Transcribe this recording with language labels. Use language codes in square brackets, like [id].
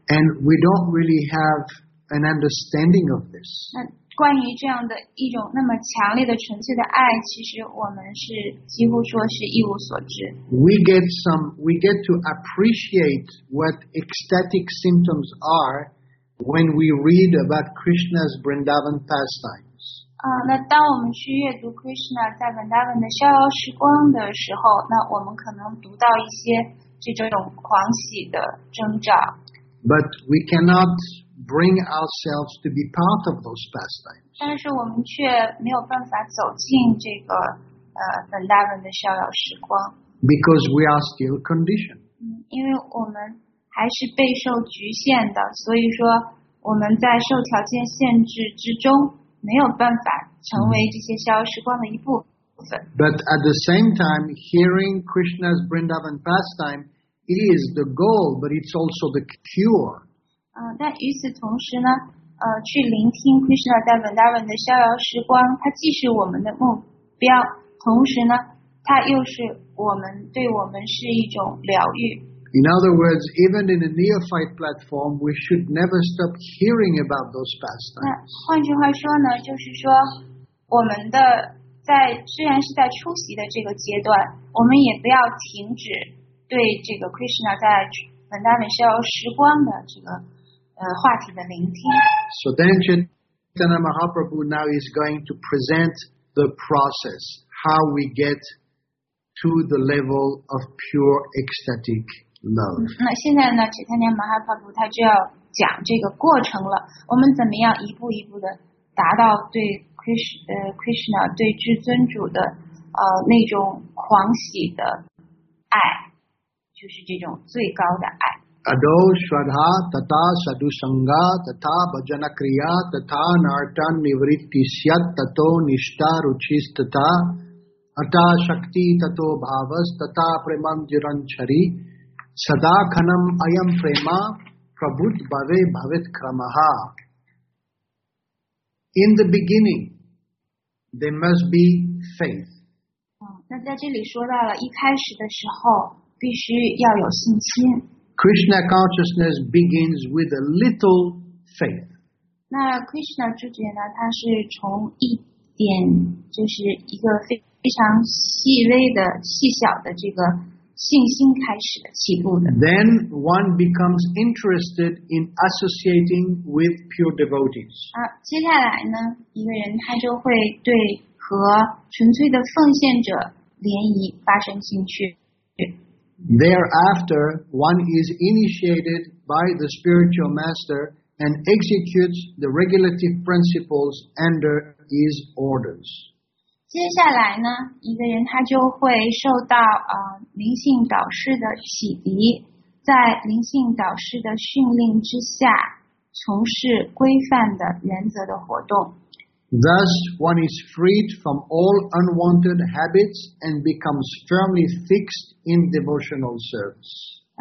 [en] And we don't really have an understanding of this. [zh] 那关于这样的一种那么强烈的纯粹的爱，其实我们是几乎说是一无所知。 [en] We get to appreciate what ecstatic symptoms are when we read about Krishna's Vrindavan pastime. [zh] 那当我们去阅读 Krishna 在 Vrindavan 的逍遥时光的时候，那我们可能读到一些这种狂喜的征兆。 [en] But we cannot bring ourselves to be part of those pastimes. [zh] 但是我们却没有办法走进这个Vrindavan 的逍遥时光。 [en] Because we are still conditioned. [zh] 因为我们还是备受局限的，所以说我们在受条件限制之中。没有办法成为这些逍遥时光的一部分。 [en] But at the same time, hearing Krishna's Vrindavan pastime is the goal, but it's also the cure. [zh] 但与此同时呢，去聆听 Krishna 在 Vrindavan 的逍遥时光，它既是我们的目标，同时呢，它又是我们对我们是一种疗愈。 [en] In other words, even in a neophyte platform, we should never stop hearing about those pastimes. [zh] 换句话说呢，就是说，我们的在虽然是在初级的这个阶段，我们也不要停止对这个 Krishna 在 Vrindavan 逍遥时光的这个话题的聆听。 [en] So then, Chaitanya Mahaprabhu now is going to present the process how we get to the level of pure ecstatic. Love. [zh] 那现在呢，齐檀念马哈帕布他就要讲这个过程了。我们怎么样一步一步的达到对 Krishna 对至尊主的那种狂喜的爱，就是这种最高的爱。 [sa] Ado Shraddha Tata Sadhu Sangha Tata Bhajana Kriya Tata Nartan Nivritti Syat Tato Nishta Ruchis Tata Ata Shakti Tato Bhavas Tata Premanjiran Chari.Sadakhanam ayam prema Prabhut Bhave Bhavit Kramaha. [en] In the beginning, there must be faith. [zh] 那在这里说到了一开始的时候必须要有信心。 [en] Krishna consciousness begins with a little faith. [zh] 那 Krishna 主角呢他是从一点就是一个非常细微的细小的这个信心开始的起步的。 [en] Then one becomes interested in associating with pure devotees. [zh] 接下来呢一个人他就会对和纯粹的奉献者联谊发生兴趣。 [en] Thereafter, one is initiated by the spiritual master and executes the regulative principles under his orders. [zh] 接下来呢，一个人他就会受到灵性导师的启迪，在灵性导师的训令之下，从事规范的原则的活动。 [en] Thus, one is freed from all unwanted habits and becomes firmly fixed in devotional service.